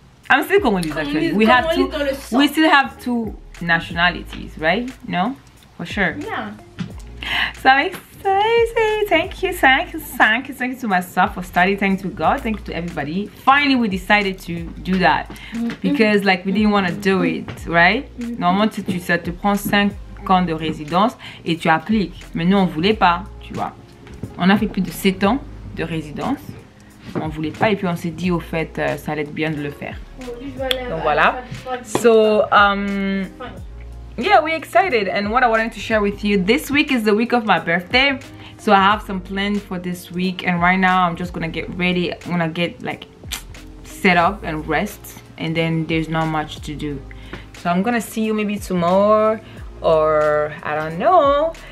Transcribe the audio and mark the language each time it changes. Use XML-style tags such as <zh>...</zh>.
<en>I'm still Congolese, actually. We still have two nationalities, right? No, for sure. Yeah. So I'm excited. Thank you to myself for studying. Thank you to God. Thank you to everybody. Finally, we decided to do that because, like, we didn't want to do it, right?</en> <fr>Normalement, tu sais, tu prends 5 ans de résidence et tu appliques. Mais nous, on voulait pas, tu vois. On a fait plus de 7 ans de résidence. On voulait pas et puis on s'est dit au fait ça allait être bien de le faire. Donc voilà.</fr> <en>So yeah, we're excited. And what I wanted to share with you, this week is the week of my birthday. So I have some plans for this week. And right now I'm just gonna get ready. I'm gonna get like set up and rest. And then there's not much to do. So I'm gonna see you maybe tomorrow or I don't know.</en>